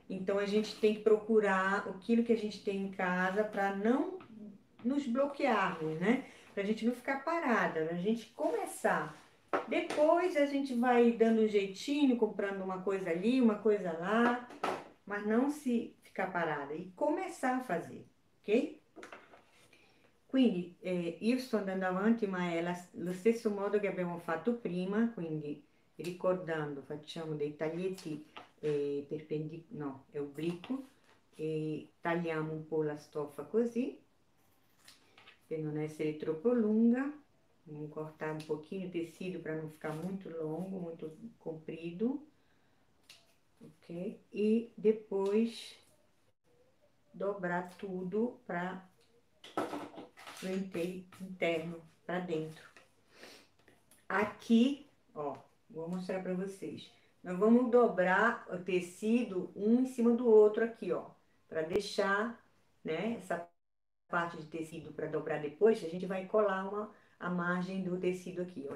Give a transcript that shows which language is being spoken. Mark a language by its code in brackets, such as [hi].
[pt] Então a gente tem que procurar aquilo que a gente tem em casa para não nos bloquearmos, né? Para a gente não ficar parada, para a gente começar. Depois a gente vai dando um jeitinho, comprando uma coisa ali, uma coisa lá, mas não se ficar parada e começar a fazer, ok? [it] Quindi, io sto andando avanti, ma è lo stesso modo che abbiamo fatto prima, quindi ricordando, facciamo dei taglietti no, è obliquo, e tagliamo un po' la stoffa così, per non essere troppo lunga. Cortare un pochino il tessuto per non ficare molto lungo, molto comprido, ok? [pt] E depois dobrar tudo para interno, para dentro. Aqui, ó, vou mostrar para vocês. Nós vamos dobrar o tecido um em cima do outro aqui, ó, para deixar, né, essa parte de tecido para dobrar depois, a gente vai colar a margem do tecido aqui, ó.